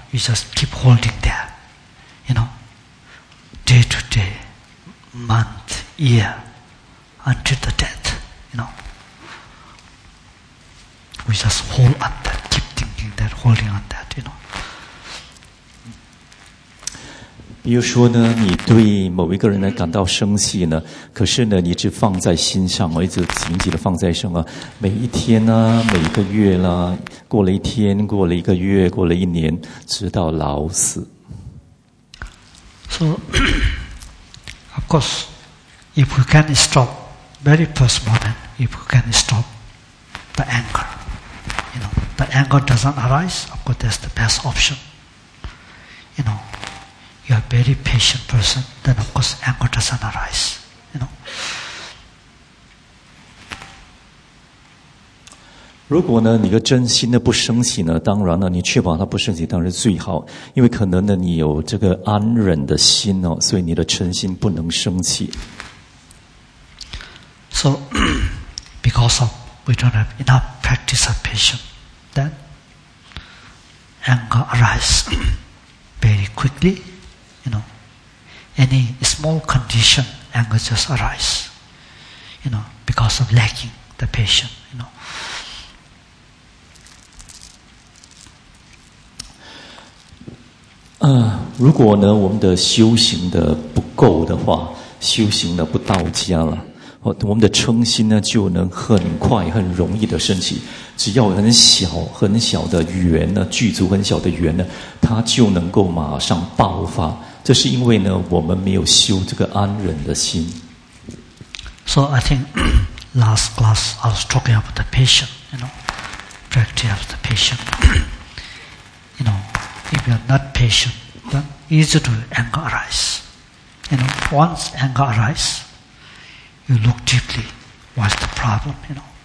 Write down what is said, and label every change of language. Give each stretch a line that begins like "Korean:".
English: You just keep holding there, you know. Day to day, month, year, until the death, you know. We just hold on that, keep thinking that, holding on that, you know.
Chinese: 比如说呢，你对某一个人呢感到生气呢，可是呢，你只放在心上，一直紧紧的放在身上。每一天呢，每一个月呢，过了一天，过了一个月，过了一年，直到老死。
English: So, of course, if we can stop, very first moment, if we can stop the anger, you know, the anger doesn't arise, of course, that's the best option. You know, you are a very patient person, then of course, anger doesn't arise, you know.
Chinese: 如果呢，你个真心的不生气呢，当然呢，你确保他不生气当然是最好，因为可能呢，你有这个安忍的心哦，所以你的真心不能生气。
English: So, because of we don't have enough practice of patience, then anger arises very quickly. You know, any small condition, anger just arises. You know, because of lacking the patience. You know.
Chinese: 如果呢我们的修行的不够的话，修行的不到家了，我们的嗔心呢就能很快很容易的升起，只要很小很小的缘呢，具足很小的缘呢，它就能够马上爆发，这是因为呢我们没有修这个安忍的心。
English: So I think last class I was talking about the patient, you know, practice of the patient. You know, if you are not patientThen easy to anger arise. You know, once anger arise, you look deeply, what's the problem, you know.